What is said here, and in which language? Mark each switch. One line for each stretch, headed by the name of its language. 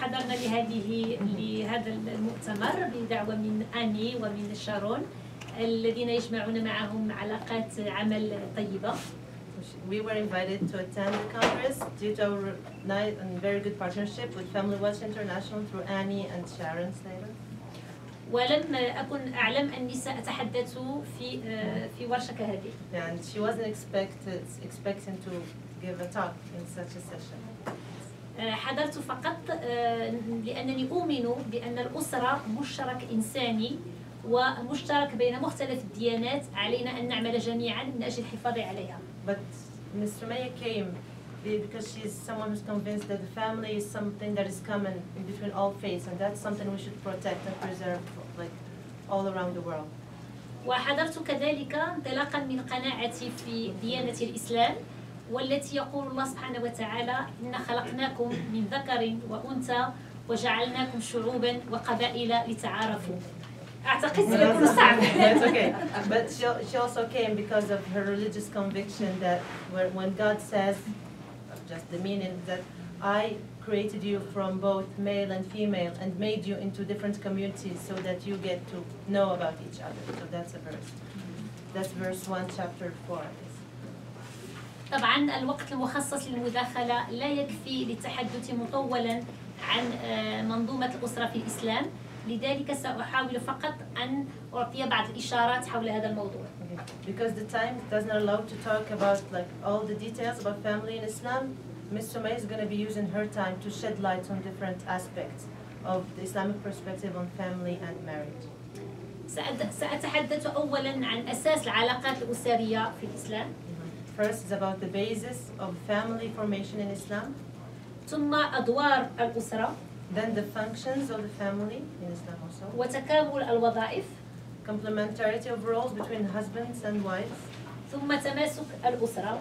Arabic: لهذا المؤتمر بدعوة من آني ومن شارون الذين يجمعون معهم علاقات عمل طيبة.
English: We were invited to attend the Congress due to our nice and very good partnership with Family Watch International through Annie and Sharon Slater.
Arabic: ولم أكن أعلم أني سأتحدث في ورشة كهذه.
English: And she wasn't expecting to give a talk in such a session.
Arabic: حضرت فقط لأنني أؤمن بأن الأسرة مشترك إنساني ومشترك بين مختلف الديانات علينا أن نعمل جميعا من أجل الحفاظ عليها.
English: But Ms. Soumia came because she is someone who's convinced that the family is something that is common in between all faiths, and that's something we should protect and preserve like all around the world.
Arabic: وحضرت كذلك انطلاقا من قناعتي في ديانة الإسلام. والتي يقول الله سبحانه وتعالى إن خلقناكم من ذكر وأنثى وجعلناكم شعوبا وقبائل لتعارفوا. أعتقد سيكون صعب.
English: That's okay. But she also came because of her religious conviction that when God says, just the meaning that I created you from both male and female and made you into different communities so that you get to know about each other. So that's a verse. That's verse 1, chapter 4.
Arabic: طبعا الوقت المخصص للمداخلة لا يكفي للتحدث مطولا عن منظومة الأسرة في الإسلام لذلك سأحاول فقط أن أعطي بعض الإشارات حول هذا الموضوع.
English: Because the time does not allow to talk about like all the details about family in Islam, Ms. Soumia is going to be using her time to shed light on different aspects of the Islamic perspective on family and marriage.
Arabic: سأتحدث أولا عن أساس العلاقات الأسرية في الإسلام.
English: First is about the basis of family formation in Islam.
Arabic: ثم أدوار الأسرة.
English: Then the functions of the family in Islam also.
Arabic: وتكامل الوظائف.
English: Complementarity of roles between husbands and wives.
Arabic: ثم تماسك الأسرة.